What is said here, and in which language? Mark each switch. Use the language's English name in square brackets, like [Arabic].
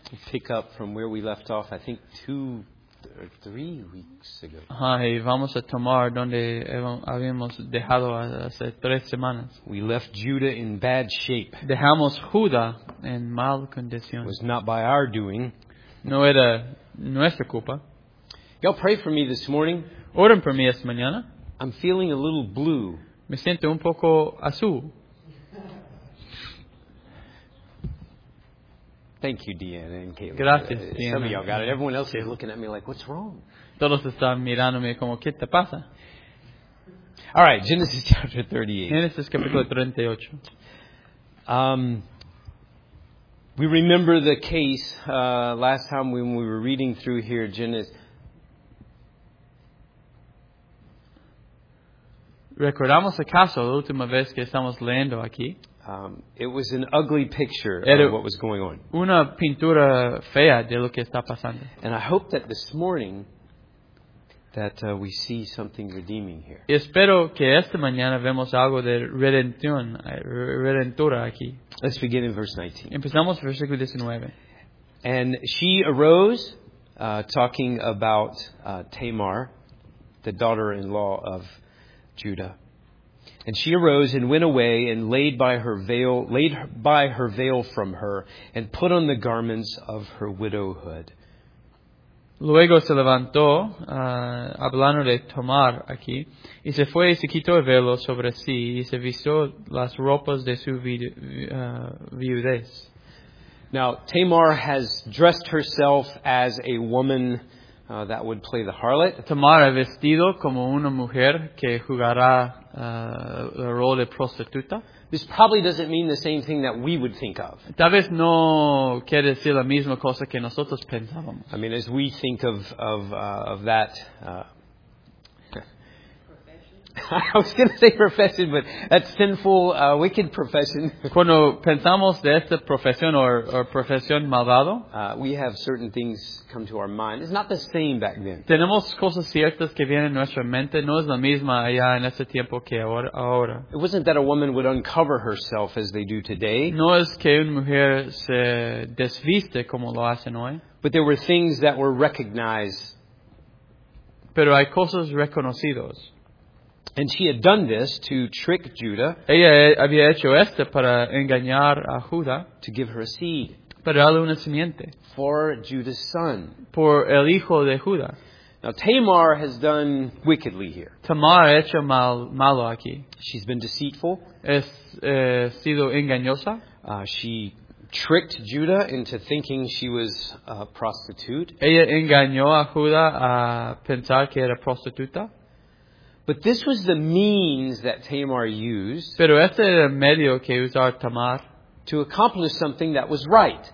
[English] We'll pick up from where we left off, I think, two or three weeks ago. [Spanish] Y vamos a tomar donde habíamos dejado hace tres semanas. [English] We left Judah in bad shape. [Spanish] Dejamos Judá en mal condición. [English] It was not by our doing. [Spanish] No era nuestra culpa. [English] Y'all pray for me this morning. [Spanish] Oren por mí esta mañana. [English] I'm feeling a little blue. [Spanish] Me siento un poco azul. [English] Thank you, Deanna and Caleb. [Spanish] Gracias, [English] Deanna. Some of y'all got it. Everyone else is looking at me like, what's wrong? [Spanish] Todos están mirándome como, ¿qué te pasa? [English] All right, Genesis chapter 38. [Spanish] Genesis capítulo 38. [English] We remember the case last time when we were reading through here, Genesis. [Spanish] Recordamos el caso la última vez que estamos leyendo aquí. [English] It was an ugly picture of what was going on. [Spanish] Una pintura fea de lo que está pasando. [English] And I hope that this morning that we see something redeeming here. [Spanish] Y espero que esta mañana vemos algo de redención, redentora aquí. [English] Let's begin in verse 19. [Spanish] Empezamos en versículo 19. [English] And she arose, talking about Tamar, the daughter-in-law of Judah. And she arose and went away and laid by her veil from her and put on the garments of her widowhood. [Spanish] Luego se levantó, hablando de Tamar aquí, y se fue y se quitó el velo sobre sí y se vistió las ropas de su viudez. [English] Now, Tamar has dressed herself as a woman that would play the harlot. [Spanish] Tamar ha vestido como una mujer que jugará el rol de prostituta. [English] This probably doesn't mean the same thing that we would think of. [Spanish] Tal vez no quiere decir la misma cosa que nosotros pensábamos. [English] I mean, as we think of that. I was going to say profession, but that sinful, wicked profession. [Spanish] Cuando pensamos de esta profesión o profesión malvado, [English] we have certain things come to our mind. It's not the same back then. [Spanish] Tenemos cosas ciertas que vienen en nuestra mente. No es la misma allá en ese tiempo que ahora. [English] It wasn't that a woman would uncover herself as they do today. [Spanish] No es que una mujer se desviste como lo hacen hoy. [English] But there were things that were recognized. [Spanish] Pero hay cosas reconocidos. [English] And she had done this to trick Judah. [Spanish] Ella había hecho esto para engañar a Judá. [English] To give her a seed. [Spanish] Para darle una simiente. [English] For Judah's son. [Spanish] Por el hijo de Judá. [English] Now Tamar has done wickedly here. [Spanish] Tamar ha hecho malo aquí. [English] She's been deceitful. [Spanish] Sido engañosa. [English] She tricked Judah into thinking she was a prostitute. [Spanish] Ella engañó a Judá a pensar que era prostituta. [English] But this was the means that Tamar used. [Spanish] Pero este era el medio que usó Tamar [English] to accomplish something that was right.